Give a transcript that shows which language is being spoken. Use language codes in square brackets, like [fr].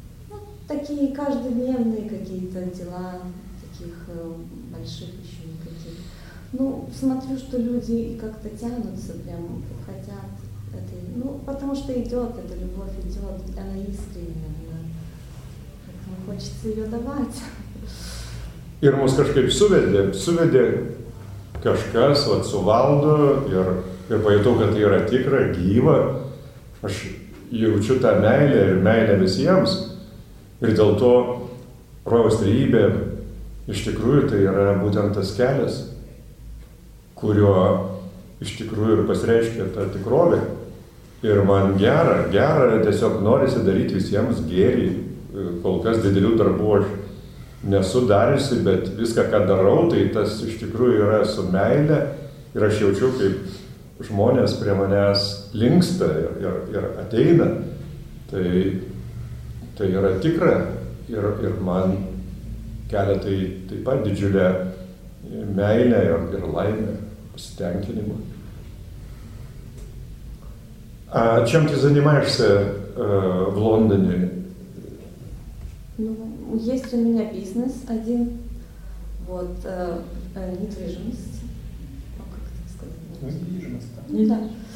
[ru] Ну такие каждодневные какие-то дела, таких больших еще никаких. Ну смотрю, что люди как-то тянутся прям, хотят. Ну, потому что идет, эта любовь идет, она искренняя, поэтому хочется ее давать. [lt] Ir mus kažkaip suvedė kažkas vat, su Valdu ir pajutau, kad tai yra tikra, gyva. Aš jaučiu tą meilę ir meilę visiems. Ir dėl to Rojaus Trejybė iš tikrųjų tai yra būtent tas kelias, kurio iš tikrųjų ir pasireiškia ta tikrovė. Ir man gera tiesiog norisi daryti visiems gėrį. Kol kas didelių darbų aš nesu dariusi, bet viską, ką darau, tai tas iš tikrųjų yra su meilė. Ir aš jaučiu, kaip žmonės prie manęs linksta ir ateina. Tai yra tikra. Ir man kelia tai taip pat didžiulę meilę ir laimę, pasitenkinimą. [ru] А чем ты занимаешься в Лондоне? Ну, есть у меня бизнес один, вот, недвижимость. О, как это сказать? Недвижимость,